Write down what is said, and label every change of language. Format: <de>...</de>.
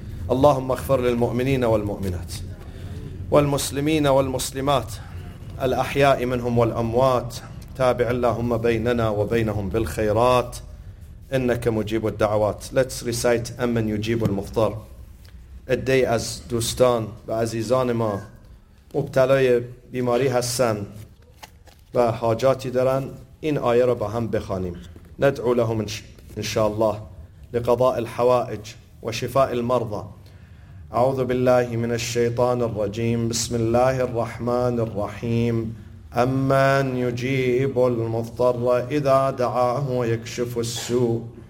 <ar>اللهم اغفر للمؤمنين والمؤمنات والمسلمين والمسلمات الأحياء منهم والأموات تابع اللهم بيننا وبينهم بالخيرات إنك مجيب الدعوات.</ar> <en>Let's recite</en> <ar>أمن يجيب المفطر.</ar> <fa>عده از دوستان و عزیزان ما مبتلای بیماری هستن و حاجاتی دارن این آیه را با هم بخوانیم.</fa> <ar>ندعو لهم ان شاء الله لقضاء الحوائج وشفاء المرضى. اعوذ بالله من الشيطان الرجيم. بسم الله الرحمن الرحيم. امن يجيب المضطر اذا دعاه ويكشف السوء.</ar>